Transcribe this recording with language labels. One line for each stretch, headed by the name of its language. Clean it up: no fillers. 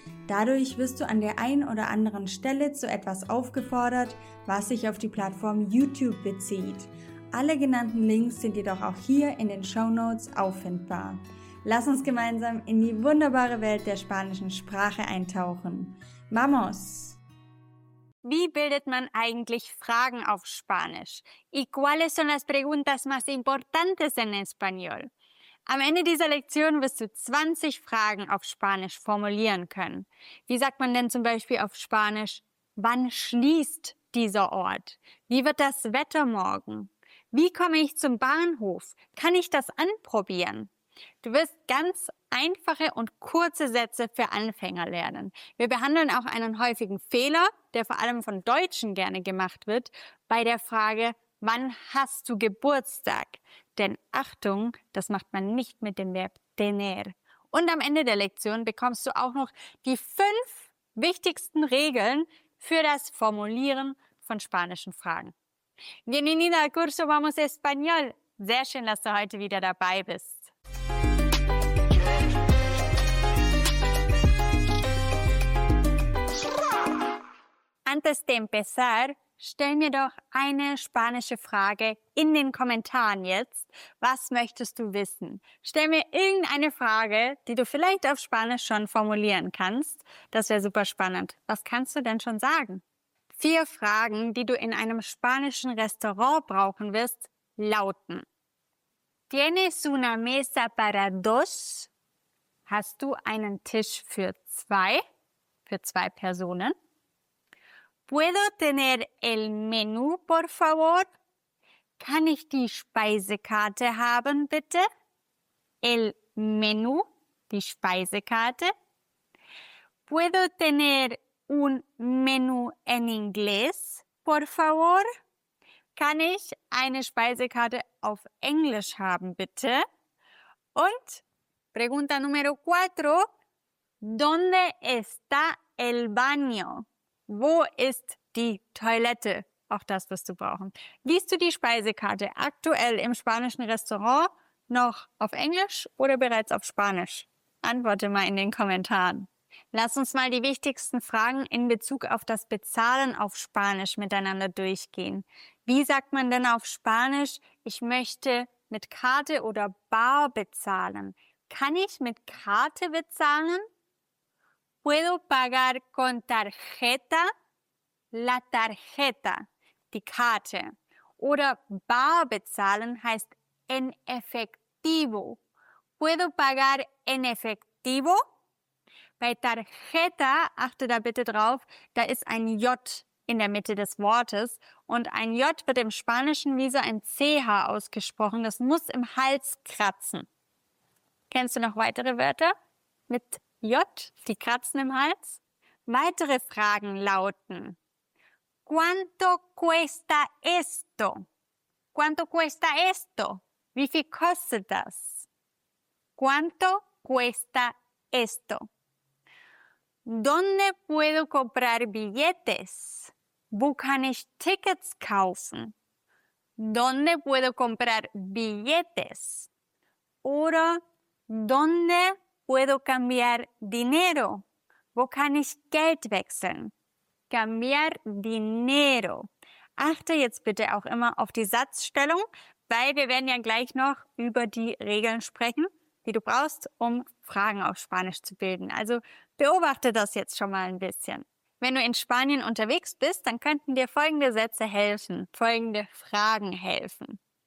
German: Dadurch wirst du an der einen oder anderen Stelle zu etwas aufgefordert, was sich auf die Plattform YouTube bezieht. Alle genannten Links sind jedoch auch hier in den Shownotes auffindbar. Lass uns gemeinsam in die wunderbare Welt der spanischen Sprache eintauchen.
Spanish: ¡Vamos!
German: Wie bildet man eigentlich Fragen auf Spanisch?
Spanish: ¿Y cuáles son las preguntas más importantes en español?
German: Am Ende dieser Lektion wirst du 20 Fragen auf Spanisch formulieren können. Wie sagt man denn zum Beispiel auf Spanisch, wann schließt dieser Ort? Wie wird das Wetter morgen? Wie komme ich zum Bahnhof? Kann ich das anprobieren? Du wirst ganz einfache und kurze Sätze für Anfänger lernen. Wir behandeln auch einen häufigen Fehler, der vor allem von Deutschen gerne gemacht wird, bei der Frage, wann hast du Geburtstag? Denn Achtung, das macht man nicht mit dem Verb tener. Und am Ende der Lektion bekommst du auch noch die 5 wichtigsten Regeln für das Formulieren von spanischen Fragen.
Spanish: Bienvenida al curso Vamos Español.
German: Sehr schön, dass du heute wieder dabei bist.
Spanish: Antes de empezar,
German: stell mir doch eine spanische Frage in den Kommentaren jetzt. Was möchtest du wissen? Stell mir irgendeine Frage, die du vielleicht auf Spanisch schon formulieren kannst. Das wäre super spannend. Was kannst du denn schon sagen? 4 Fragen, die du in einem spanischen Restaurant brauchen wirst, lauten:
Spanish: ¿Tienes una mesa para dos?
German: Hast du einen Tisch für zwei Personen?
Spanish: ¿Puedo tener el menú, por favor?
German: Kann ich die Speisekarte haben, bitte?
Spanish: El menú,
German: die Speisekarte.
Spanish: ¿Puedo tener un menú en inglés, por favor?
German: Kann ich eine Speisekarte auf Englisch haben, bitte? Und
Spanish: pregunta número 4. ¿Dónde está el baño?
German: Wo ist die Toilette? Auch das wirst du brauchen. Liest du die Speisekarte aktuell im spanischen Restaurant noch auf Englisch oder bereits auf Spanisch? Antworte mal in den Kommentaren. Lass uns mal die wichtigsten Fragen in Bezug auf das Bezahlen auf Spanisch miteinander durchgehen. Wie sagt man denn auf Spanisch, ich möchte mit Karte oder Bar bezahlen? Kann ich mit Karte bezahlen?
Spanish: ¿Puedo pagar con tarjeta? La tarjeta,
German: die Karte. Oder bar bezahlen heißt
Spanish: en efectivo. ¿Puedo pagar en efectivo?
German: Bei tarjeta, achte da bitte drauf, da ist ein J in der Mitte des Wortes. Und ein J wird im Spanischen wie so ein CH ausgesprochen. Das muss im Hals kratzen. Kennst du noch weitere Wörter mit J, die kratzen im Hals? Weitere Fragen lauten:
Spanish: ¿Cuánto cuesta esto? ¿Cuánto cuesta esto?
German: Wie viel kostet das?
Spanish: ¿Cuánto cuesta esto? ¿Dónde puedo comprar billetes?
German: Wo kann ich Tickets kaufen?
Spanish: ¿Dónde puedo comprar billetes? Oder ¿dónde puedo cambiar dinero?
German: Wo kann ich Geld wechseln?
Spanish: Cambiar dinero.
German: Achte jetzt bitte auch immer auf die Satzstellung, weil wir werden ja gleich noch über die Regeln sprechen, die du brauchst, um Fragen auf Spanisch zu bilden. Also beobachte das jetzt schon mal ein bisschen. Wenn du in Spanien unterwegs bist, dann könnten dir folgende Sätze helfen, folgende Fragen helfen.